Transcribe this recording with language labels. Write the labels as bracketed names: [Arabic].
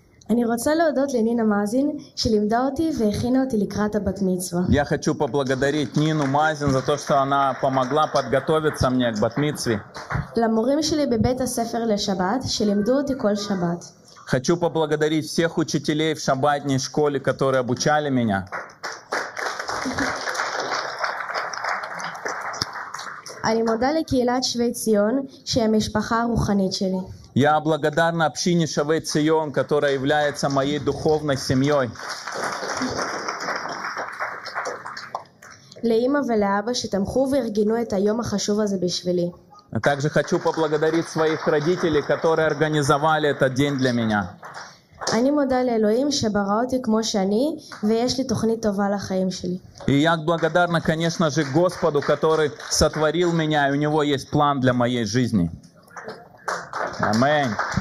[Hebrew] אני רוצה להודות לנינה מאזין שלימדה אותי והכינה אותי לקראת הבת מצווה. [Russian] Я хочу поблагодарить Нину Мазин за то, что она помогла подготовиться мне к бат мицве. [Hebrew] למורים שלי בבית הספר לשבת שלימדו אותי כל שבת. [Russian] Хочу поблагодарить всех учителей в шабатной школе, которые обучали меня. [Hebrew] אני מודה לקהילת שבי ציון, שהיא המשפחה הרוחנית שלי. [Russian] Я благодарна общине Шавей Цион, которая является моей духовной семьей. [Hebrew] לאימא ולאבא שתמכו וארגנו את היום החשוב הזה בשבילי. [Russian] Также хочу поблагодарить своих родителей, которые организовали этот день для меня. [Hebrew] אני מודה לאלוהים שברא אותי כמו שאני ויש לי תוכנית טובה לחיים שלי. [Russian] И я благодарна, конечно же, Господу, который сотворил меня, и у него есть план для моей жизни. Аминь.